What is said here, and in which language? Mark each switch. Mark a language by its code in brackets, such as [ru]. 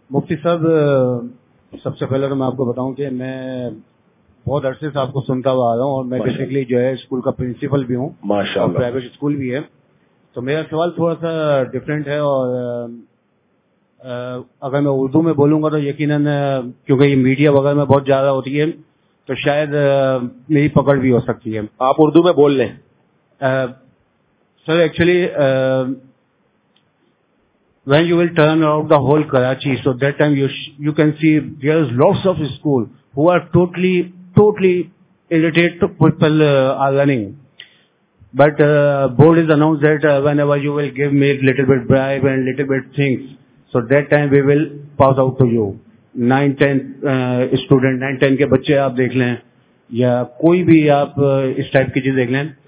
[ur] مفتی صاحب, سب سے پہلے تو میں آپ کو بتاؤں کہ میں بہت عرصے سے آپ کو سنتا ہوا آ رہا ہوں, اور میں بیسکلی جو ہے اسکول کا پرنسپل بھی ہوں, ماشاءاللہ پرائیویٹ اسکول بھی ہے. تو میرا سوال تھوڑا سا ڈفرینٹ ہے, اور اگر میں اردو میں بولوں گا تو یقیناً کیونکہ یہ میڈیا وغیرہ میں بہت زیادہ ہوتی ہے تو شاید میری پکڑ بھی ہو سکتی ہے. آپ اردو میں بول لیں. Sir [en] Actually when you will turn around the whole Karachi, so that time you can see there is lots of school who are totally illiterate people are running, but board is announced that whenever you will give me a little bit bribe and little bit things, so that time we will pass out to you. [ur] 9-10 ke bacche aap dekh le ya koi bhi aap is type ki cheez dekh le,